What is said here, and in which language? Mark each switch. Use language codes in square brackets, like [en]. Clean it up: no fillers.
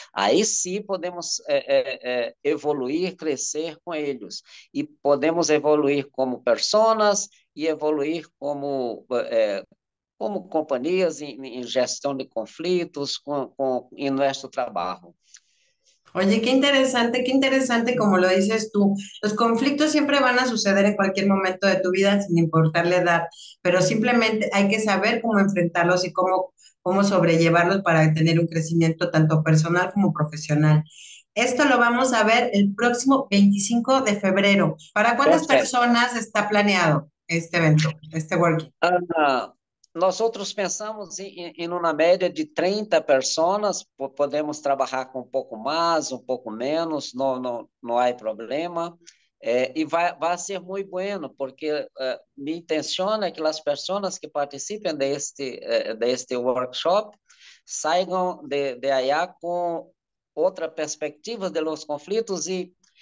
[pt] Aí sim podemos evoluir, crescer com eles. E podemos evoluir como personas e evoluir como companhias em gestão de conflitos em nosso trabalho. [es] Oye, qué interesante como lo dices tú. Los conflictos siempre van a suceder en cualquier momento de tu vida, sin importar la edad, pero simplemente hay que saber cómo enfrentarlos y cómo sobrellevarlos para tener un crecimiento tanto personal como profesional. Esto lo vamos a ver el próximo 25 de febrero. ¿Para cuántas [pt] Perfeito. [es] personas está planeado este evento, este working? [pt] Nós outros pensamos em uma média de 30 pessoas, podemos trabalhar com um pouco mais, um pouco menos, não há problema, e vai ser muito bueno, porque minha intenção é que as pessoas que participem deste workshop saiam de aí com outra perspectiva de los conflitos e